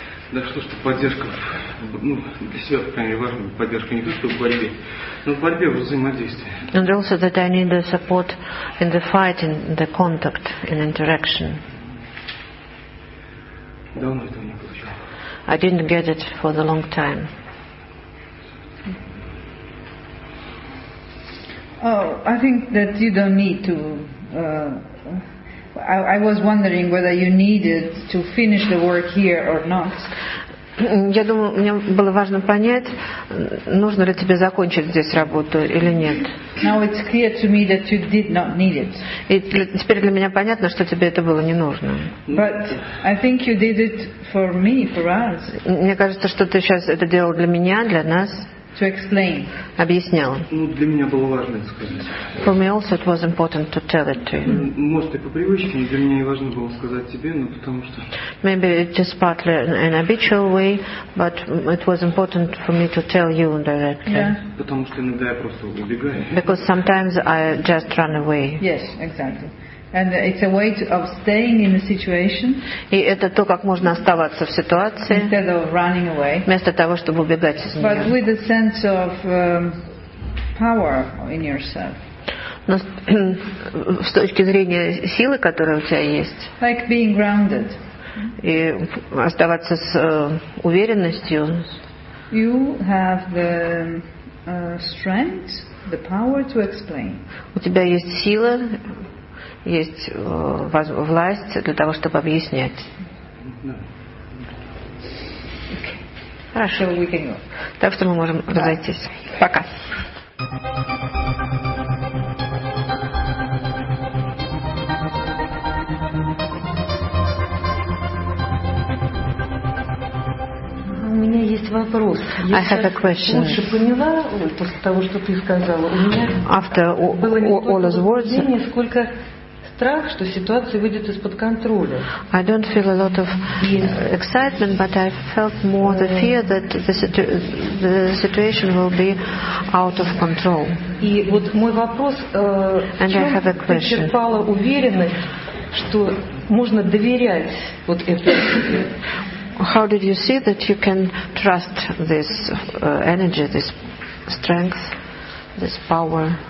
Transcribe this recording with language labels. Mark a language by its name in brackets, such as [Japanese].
[Russian] Да что ж, поддержка, ну, для себя, конечно, важна поддержка не только в борьбе, но в борьбе, в взаимодействии. [English] And also that I need the support in the fight, in the contact, in interaction. [Russian] Давно этого не получал. [English] I didn't get it for the long time. Oh, I think that you don't need to... I was wondering whether you needed to finish the work here or not. [Russian] Я думаю, мне было важно понять, нужно ли тебе закончить здесь работу или нет. [English] Now it's clear to me that you did not need it. [Russian] И теперь для меня понятно, что тебе это было не нужно. [English] But I think you did it for me, for us. [Russian] Мне кажется, что ты сейчас это делал для меня, для нас. [English] To explain. [Russian] Объяснял. Ну, для меня было важно это сказать. [English] For me also it was important to tell it to you. [Russian] Может, и по привычке, но для меня и важно было сказать тебе, но потому что... [English] Maybe it is partly an habitual way, but it was important for me to tell you directly. Yeah. [Russian] Потому что иногда я просто убегаю. [English] Because sometimes I just run away. Yes, exactly. And it's a way of staying in the situation. [Russian] И это то, как можно оставаться в ситуации. [English] Instead of running away. [Russian] Вместо того, чтобы убегать из неё. [English] But with a sense of power in yourself. [Russian] Но с точки зрения силы, которая у тебя есть. [English] Like being grounded. [Russian] И оставаться с уверенностью. [English] You have the strength, the power to explain. [Russian] У тебя есть сила. Есть власть для того, чтобы объяснять. Хорошо, [English] no. Okay. [Russian] Так что мы можем разойтись. [English] Bye. [Russian] Пока. У меня есть вопрос. [English] Я have a question. [Russian] Лучше поняла после того, что ты сказала. У меня [English] after [Russian] было не [English] Ola's words, [Russian] сколько страх, что ситуация выйдет из-под контроля. [English] I don't feel a lot of excitement, but I felt more the fear that the situation will be out of control. [Russian] И вот мой вопрос, [English] and [Russian] в чем ты черпала уверенность, что можно доверять вот этому? [English] How did you see that you can trust this energy, this strength, this power?